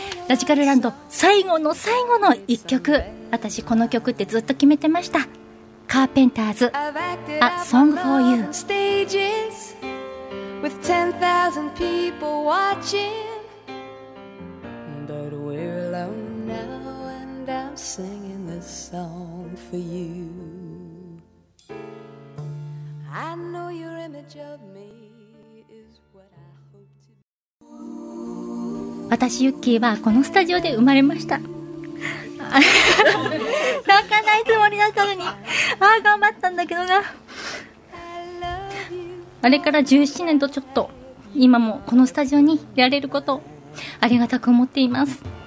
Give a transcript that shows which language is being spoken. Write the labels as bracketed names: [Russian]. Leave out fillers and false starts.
[Japanese] ラジカルランド最後の最後の一曲、私この曲ってずっと決めてました、カーペンターズ A Song For You。 [English] Stages with 10,000 people watching, but we're alone now and I'm singing this song for you. I know your image of me is what I hope to be. [Japanese] 私ユッキーはこのスタジオで生まれました。泣かないつもりだったのに、ああ頑張ったんだけどな。あれから17年とちょっと、今もこのスタジオにいられることありがたく思っています。